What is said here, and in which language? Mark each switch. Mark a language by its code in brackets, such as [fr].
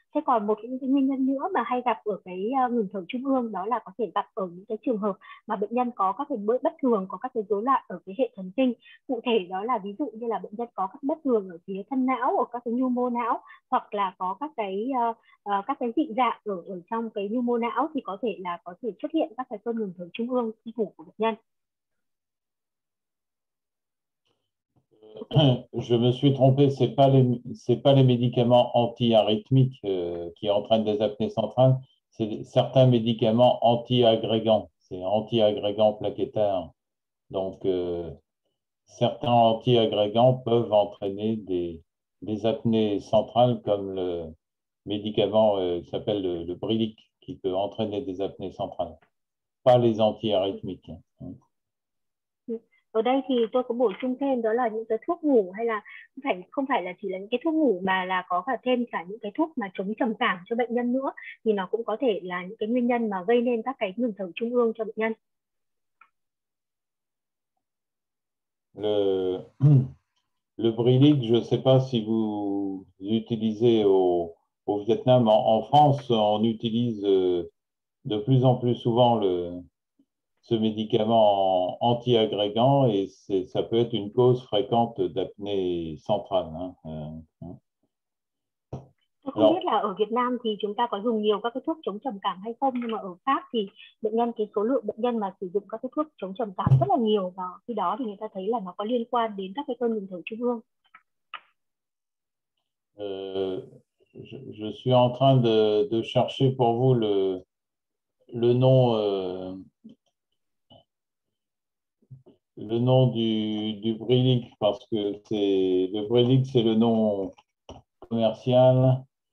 [vi] Thế còn một những cái nguyên nhân nữa mà hay gặp ở cái ngừng thở trung ương đó là có thể gặp ở những cái trường hợp mà bệnh nhân có các cái bất thường, có các cái rối loạn ở cái hệ thần kinh. Cụ thể đó là ví dụ như là bệnh nhân có các bất thường ở phía thân não, ở các cái nhu mô não, hoặc là có các cái dị dạng ở trong cái nhu mô não thì có thể là có thể xuất hiện các cái cơn ngừng thở trung ương khi ngủ của bệnh nhân. [fr] Je me suis trompé, c'est pas les médicaments anti-arythmiques qui entraînent des apnées centrales, c'est certains médicaments anti-agrégants, c'est anti-agrégants plaquettaires. Donc, certains anti-agrégants peuvent entraîner des apnées centrales, comme le médicament qui s'appelle le Brilique, qui peut entraîner des apnées centrales, pas les anti-arythmiques. [vi] Ở đây thì tôi có bổ sung thêm đó là những cái thuốc ngủ, hay là không phải là chỉ là những cái thuốc ngủ mà là có cả thêm cả những cái thuốc mà chống trầm cảm cho bệnh nhân nữa, thì nó cũng có thể là những cái nguyên nhân mà gây nên các cái ngừng thở trung ương cho bệnh nhân. [fr] Le Brilique, je sais pas si vous utilisez au Vietnam. En France, on utilise de plus en plus souvent ce médicament anti-agrégant, et ça peut être une cause fréquente d'apnée centrale. [vi] Tôi không biết là ở Việt Nam thì chúng ta có dùng nhiều các cái thuốc chống trầm cảm hay không, nhưng mà ở Pháp thì bệnh nhân, cái số lượng bệnh nhân mà sử dụng các cái thuốc chống trầm cảm rất là nhiều, và khi đó thì người ta thấy là nó có liên quan đến các cái cơn ngừng thở trung ương. [fr] Je suis en train de chercher pour vous le nom. Le nom du Brilique, parce que c'est le Brilique, c'est le nom commercial.